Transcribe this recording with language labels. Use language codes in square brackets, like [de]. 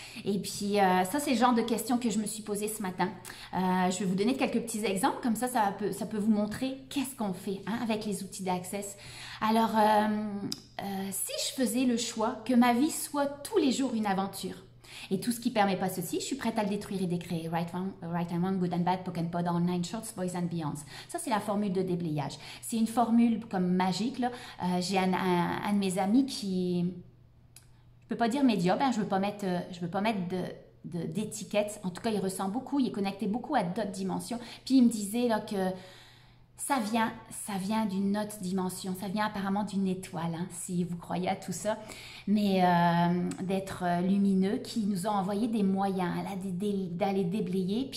[fr] Et puis, ça, c'est le genre de questions que je me suis posées ce matin. Je vais vous donner quelques petits exemples, comme ça peut vous montrer qu'est-ce qu'on fait, hein, avec les outils d'Access. Alors, si je faisais le choix que ma vie soit tous les jours une aventure, et tout ce qui ne permet pas ceci, je suis prête à le détruire et décréer. [en] Right and wrong, good and bad, pock and pod, all nine shorts, boys and beyonds. [fr] Ça, c'est la formule de déblayage. C'est une formule comme magique, là. J'ai un de mes amis qui, je peux pas dire médium, hein, je veux pas mettre d'étiquette. En tout cas, il ressent beaucoup, il est connecté beaucoup à d'autres dimensions. Puis il me disait là, que ça vient d'une autre dimension, ça vient apparemment d'une étoile, hein, si vous croyez à tout ça, mais d'être lumineux, qui nous ont envoyé des moyens d'aller déblayer.